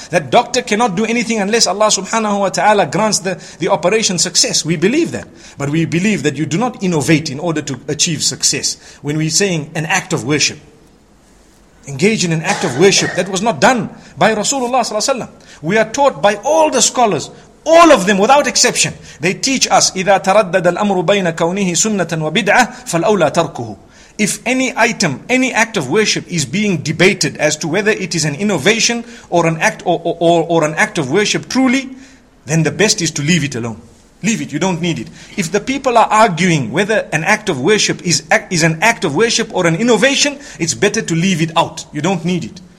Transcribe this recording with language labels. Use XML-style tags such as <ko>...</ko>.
<en>That doctor cannot do anything unless Allah subhanahu wa ta'ala grants the operation success. We believe that. But we believe that you do not innovate in order to achieve success. When we're saying an act of worship. Engage in an act of worship that was not done by Rasulullah sallallahu alaihi wasallam. We are taught by all the scholars,</en> <ar>All of them, without exception, they teach us, إِذَا تَرَدَّدَ الْأَمْرُ بَيْنَ كَوْنِهِ سُنَّةً وَبِدْعَةً فَالْأَوْلَى تَرْكُهُ.</ar> <en>If any item, any act of worship is being debated as to whether it is an innovation or an act or an act of worship truly, then the best is to leave it alone. Leave it, you don't need it. If the people are arguing whether an act of worship is an act of worship or an innovation, it's better to leave it out. You don't need it.</en>